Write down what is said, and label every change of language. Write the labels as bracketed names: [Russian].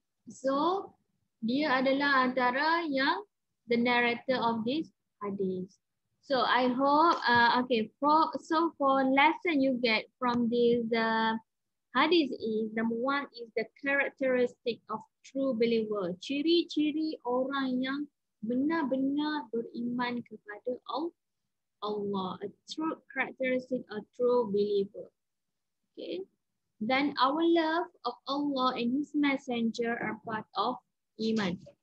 [Malay] So, dia adalah antara yang [English] the narrator of this hadith. So, I hope, okay, for lesson you get from this hadith is, number one is the characteristic of true believer. [Malay] Ciri-ciri orang yang benar-benar beriman kepada Allah. [English] A true characteristic of true believer. Okay. Then our love of Allah and His Messenger are part of iman.